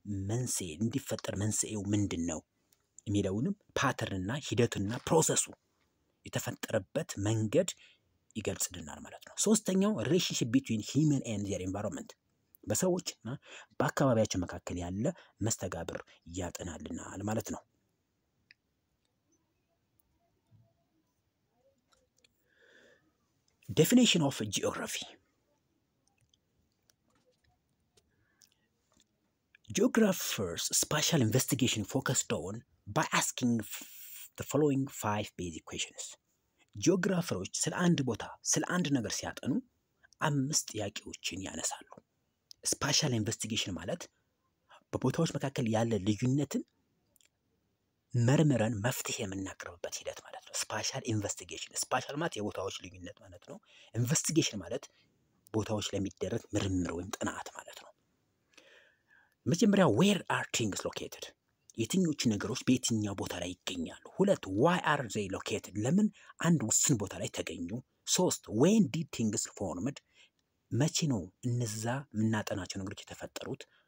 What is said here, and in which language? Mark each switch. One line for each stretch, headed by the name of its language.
Amharic: መንስኤ እንዲፈጠር መንስኤው ምንድን ነው የሚለውንም pattern እና ሂደቱ እና ፕሮሰሱ የተፈጠረበት መንገድ ይገልጽልናል ማለት ነው። ሶስተኛው
English: relationship between human and their environment
Amharic: በሰዎች እና በአካባቢያቸው መካከል ያለ መስተጋብር ያጠናልናል ማለት ነው።
English: Definition of geography. Geographers special investigation focused on by asking the following five basic questions.
Amharic: ጂኦግራፈሮች ስለ አንድ ቦታ ስለ አንድ ነገር ሲያጠኑ አምስት ጥያቄዎችን ያነሳሉ። ስፓሻል ኢንቨስቲጌሽን ማለት በቦታዎች መካከል ያለ ልዩነትን መርምረን መፍትሄ የምናቀርብበት ሂደት ማለት ነው። ስፓሻል ኢንቨስቲጌሽን ስፓሻል ማለት የቦታዎች ልዩነት ማለት ነው። ኢንቨስቲጌሽን ማለት ቦታዎች ለሚደረግ ምርምር ወይም ጥናት ማለት ነው። መጀመሪያ
English: where are things located?
Amharic: የትኞቹ ነገሮች በየትኛው ቦታ ላይ ይገኛሉ? ሁለት
English: why are they located?
Amharic: ለምን አንድ ውስን ቦታ ላይ ተገኙ? ሶስት
English: when did things formed?
Amharic: መቼ ነው እነዛ ምናጠናቸው ነገሮች የተፈጠሩት?